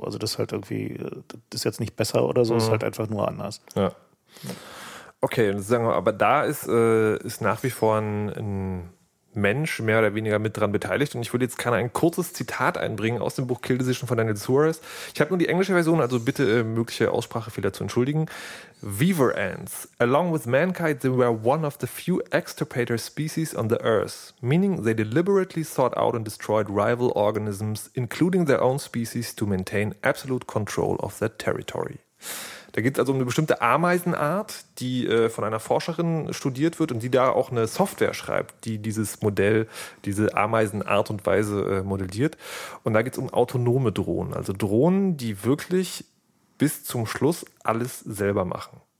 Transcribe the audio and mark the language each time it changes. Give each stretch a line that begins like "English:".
German: Also das ist halt irgendwie, das ist jetzt nicht besser oder so, mhm. ist halt einfach nur anders. Ja. Okay, sagen wir, aber da ist nach wie vor ein Mensch mehr oder weniger mit dran beteiligt, und ich würde jetzt gerne ein kurzes Zitat einbringen aus dem Buch Kill Decision von Daniel Suarez. Ich habe nur die englische Version, also bitte mögliche Aussprachefehler zu entschuldigen.
English: Weaver ants, along with mankind, they were one of the few extirpator species on the earth, meaning they deliberately sought out and destroyed rival organisms, including their own species, to maintain absolute control of that territory.
German: Da geht es also um eine bestimmte Ameisenart, die von einer Forscherin studiert wird und die da auch eine Software schreibt, die dieses Modell, diese Ameisenart und Weise modelliert. Und da geht es um autonome Drohnen, also Drohnen, die wirklich bis zum Schluss alles selber machen.